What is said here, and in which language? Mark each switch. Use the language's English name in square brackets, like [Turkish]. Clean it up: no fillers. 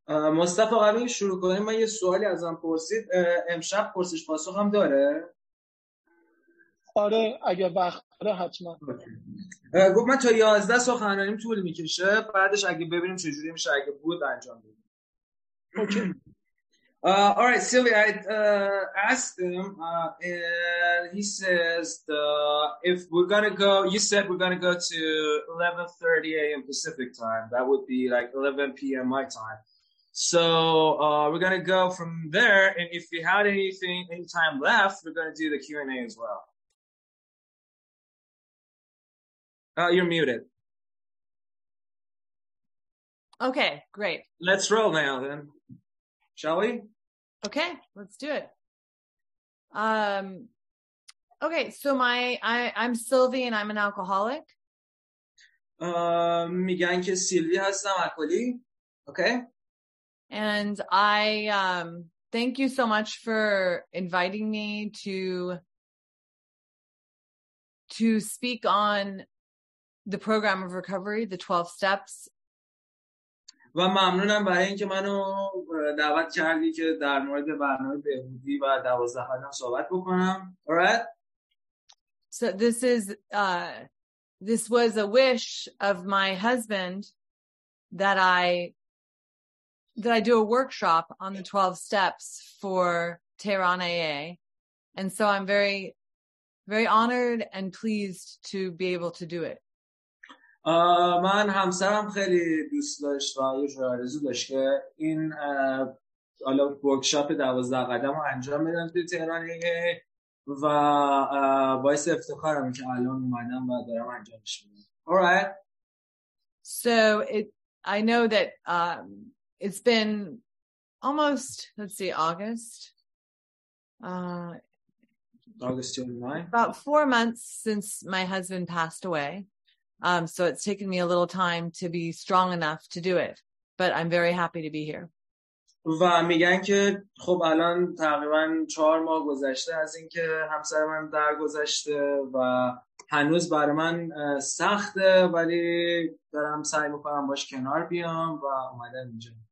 [Persian] مصطفی قبل اینکه شروع کنیم من یه سوالی ازم پرسید، امشب پرسش پاسخ هم داره؟ آره اگه وقت داره حتما. گفت من تا 11 سخنرانیم طول میکشه، بعدش اگه ببینیم چجوری میشه اگه بود انجام بدیم. [English] Okay. All right, Sylvia, I asked him, he says, if we're going to go, you said we're going to go to 11:30 a.m. Pacific time. That would be like 11 p.m. my time. So we're going to go from there. And if you had anything, any time left, we're going to do the Q&A as well. You're muted. Okay, great. Let's roll now then, shall we? Okay, let's do it. Okay, so I'm Sylvie and I'm an alcoholic. [Persian] میگن که سیلوی هستم الکلی. [English] Okay. And I thank you so much for inviting me to speak on the program of recovery, the 12 steps. [Persian] و ممنونم برای اینکه منو دعوت کردی که در مورد برنامه بهبودی و 12 قدم صحبت بکنم. [English] Alright. So this is this was a wish of my husband that I do a workshop on the 12 steps for Tehran AA. And so I'm very very honored and pleased to be able to do it. [Persian] من همسرم خیلی دوست داشت و یه جور آرزو داشت که این حالا ورکشاپ 12 قدم رو انجام بدم توی تهران و باعث افتخارم که الان اومدم و دارم انجامش میدم. [English] Alright. So I know that it's been almost, let's see, August. August 29. About 4 months since my husband passed away. So it's taken me a little time to be strong enough to do it, but I'm very happy to be here. [Persian] و میگن که خب الان تقریبا 4 ماه گذشته از اینکه همسر من درگذشته و هنوز برای من سخته، ولی دارم سعی میکنم باش کنار بیام و اومدم اینجا.